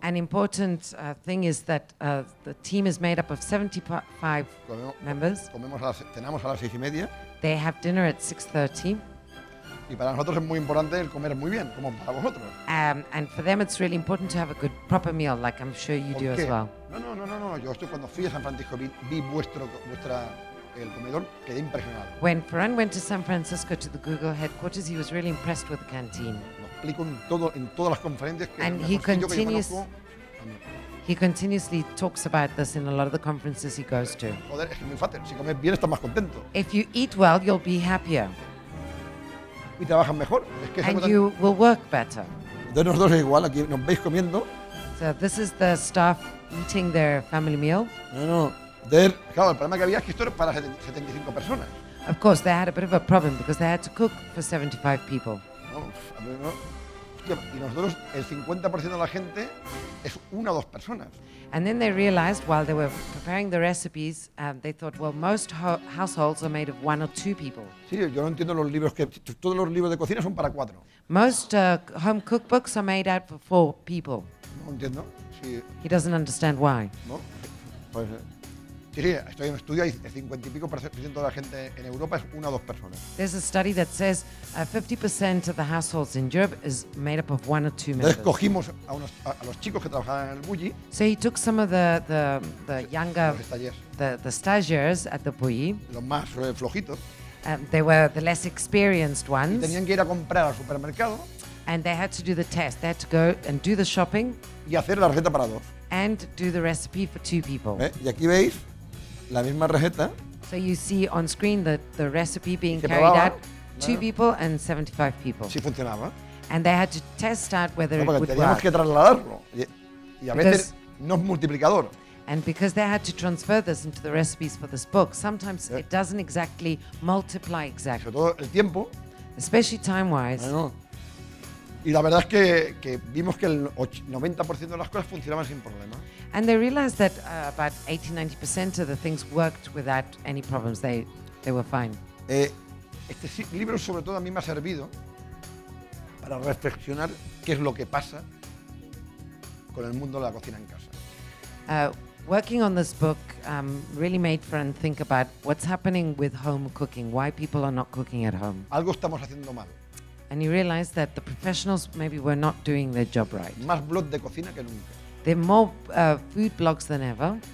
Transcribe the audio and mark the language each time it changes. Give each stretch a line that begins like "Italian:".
English: An important thing is that the team is made up of 75 members.
Spanish: Cenamos a las 6:30.
English: They have dinner at 6:30.
Spanish: Y para nosotros es muy importante el comer muy bien, como para vosotros.
English: And for them it's really important to have a good proper meal, like I'm sure you do as well.
Spanish: No. Yo estoy cuando fui a San Francisco vi vuestra el comedor, quedé impresionado.
English: When Ferran went to San Francisco to the Google headquarters, he was really impressed with the canteen.
Spanish: Lo explico en todas las conferencias que
English: And he continues. He continuously talks about this in a lot of the conferences he goes to.
Spanish: Joder, es que me enfaten. Si comes bien, estás más contento.
English: If you eat well, you'll be happier.
Spanish: Y trabajan mejor. Es que
English: And you tan... will work better.
Spanish: Entonces nosotros es igual, aquí nos veis comiendo.
English: So this is the staff eating their family meal.
Spanish: No. Entonces, claro, el problema que había es que esto era para 75 personas.
English: Of course, they had a bit of a problem because they had to cook for 75 people.
Spanish: No. Hostia, y nosotros, el 50% de la gente es una o dos personas.
English: And then they realized, while they were preparing the recipes, they thought, well, most households are made of one or two people.
Spanish: Sí, yo no entiendo los libros que... Todos los libros de cocina son para cuatro.
English: Most home cookbooks are made out for four people.
Spanish: No entiendo. Sí.
English: He doesn't understand why.
Spanish: No, pues... Sí, estoy en un estudio y el 50% de la gente en Europa es una o dos personas.
English: There's a study that says 50% of the households in Europe is made up of one or two members.
Spanish: Cogimos a los chicos que trabajaban en el Bulli.
English: So he took some of the younger, the stagiaires at the Bulli.
Spanish: Los más flojitos.
English: They were the less experienced ones. Y tenían que ir a comprar al supermercado. And they had to do the test. They had to go and do the shopping.
Spanish: Y hacer la receta para dos.
English: And do the recipe for two people.
Spanish: Y aquí veis la misma receta.
English: So you see on screen the recipe being carried out, two people and 75 people.
Spanish: Sí funcionaba.
English: And they had to test out whether it would work.
Spanish: Teníamos que trasladarlo. Y a veces no es multiplicador.
English: And because they had to transfer this into the recipes for this book, sometimes it doesn't exactly multiply exactly.
Spanish: Sobre todo el tiempo.
English: Especially time-wise.
Spanish: Y la verdad es que vimos que el 90% de las cosas funcionaban sin problemas.
English: And they realized that about 80-90% of the things worked without any problems. They were fine.
Spanish: Este libro sobre todo a mí me ha servido para reflexionar qué es lo que pasa con el mundo de la cocina en casa.
English: Working on this book really made Ferran think about what's happening with home cooking, why people are not cooking at home.
Spanish: Algo estamos haciendo mal.
English: And he realized that the professionals maybe were not doing their job right.
Spanish: Más blog de cocina que nunca.
English: There are more food blogs than ever.